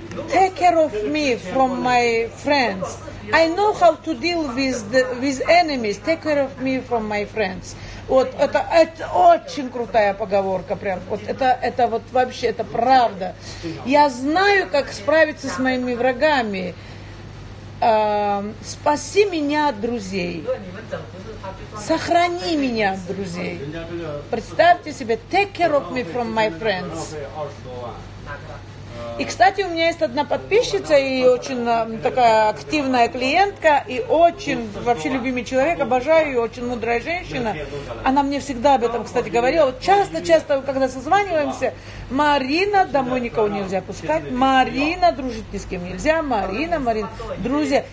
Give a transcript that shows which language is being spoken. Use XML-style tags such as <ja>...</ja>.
<en>Take care of me from my friends. I know how to deal with enemies. Take care of me from my friends.</en> <ru>Вот это очень крутая поговорка, прям. Вот это вот вообще это правда. Я знаю, как справиться с моими врагами. Спаси меня от друзей. Сохрани меня от друзей. Представьте себе,</ru> <en>take care of me from my friends.</en> <ru>И, кстати, у меня есть одна подписчица и очень такая активная клиентка и очень вообще любимый человек, обожаю ее, очень мудрая женщина. Она мне всегда об этом, кстати, говорила. Вот часто-часто, когда созваниваемся, Марина, домой никого нельзя пускать, Марина, дружить ни с кем нельзя, Марина, друзья.</ru>